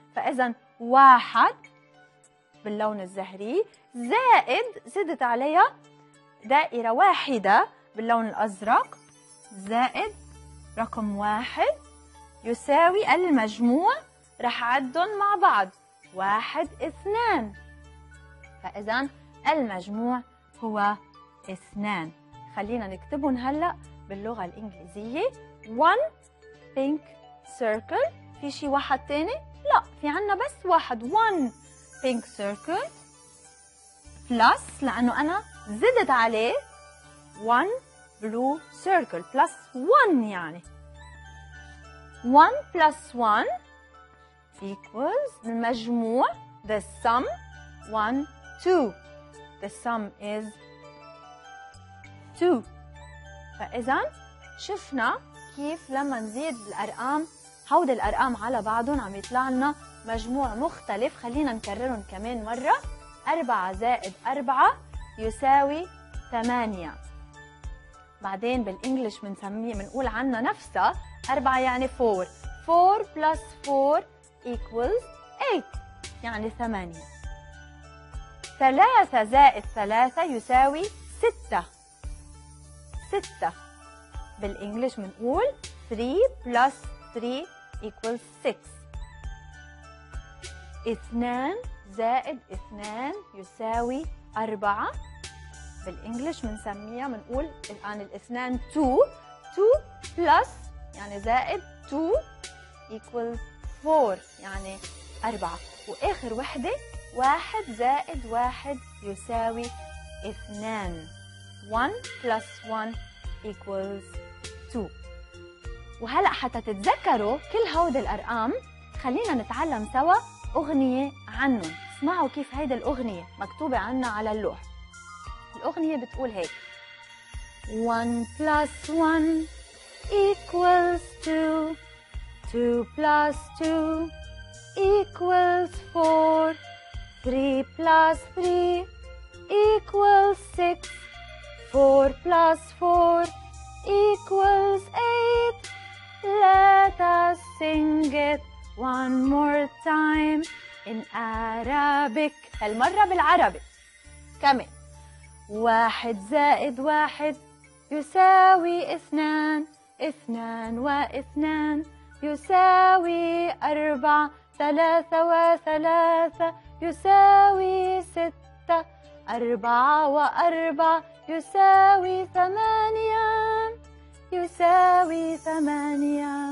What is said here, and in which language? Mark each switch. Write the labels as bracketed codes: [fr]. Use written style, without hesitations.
[ar] فإذا 1 باللون الزهري زائد زدت عليها دائرة واحدة باللون الأزرق زائد رقم 1 يساوي المجموع، رح عدهم مع بعض 1 2. فإذا المجموع هو 2. خلينا نكتبهم هلأ باللغة الإنجليزية، [en] 1 pink circle. [ar] في شي واحد تاني؟ لا، في عنا بس 1. [en] 1 pink circle plus، [ar] لأنه أنا زدت عليه [en] 1 blue circle plus 1، يعني 1 plus 1 equals المجموع the sum 1 2. The sum is 2. [ar] فإذا شفنا كيف لما نزيد الأرقام، هودي الأرقام على بعضهم عم يطلع لنا مجموع مختلف. خلينا نكررهم كمان مرة، 4 زائد 4 يساوي 8. بعدين بالإنجليش منقول عنا نفسها 4 يعني 4. [en] 4 plus 4 equals 8 [ar] يعني 8. 3 زائد 3 يساوي 6. 6 بالانجلش بنقول [en] 3 plus 3 equals 6. [ar] 2 زائد 2 يساوي 4. بالانجلش بنسميها بنقول الان الاثنان 2 plus يعني زائد 2 equals 4 يعني 4. واخر وحده 1 زائد 1 يساوي 2. [en] 1 plus 1 equals 2. [ar] وهلا حتى تتذكروا كل هود الارقام خلينا نتعلم سوا اغنيه عنهم. اسمعوا كيف هيدي الاغنيه مكتوبه عنا على اللوح. الاغنيه بتقول هيك: [en] 1 plus 1 equals 2, 2 plus 2 equals 4, 3 plus 3 equals 6, 4 plus 4 equals 8. Let us sing it one more time in Arabic. [ar] هالمرة بالعربي كمان. 1 زائد 1 يساوي 2, 2 و 2 يساوي 4, 3 و 3 يساوي 6, 4 و 4 يساوي 8, يساوي 8.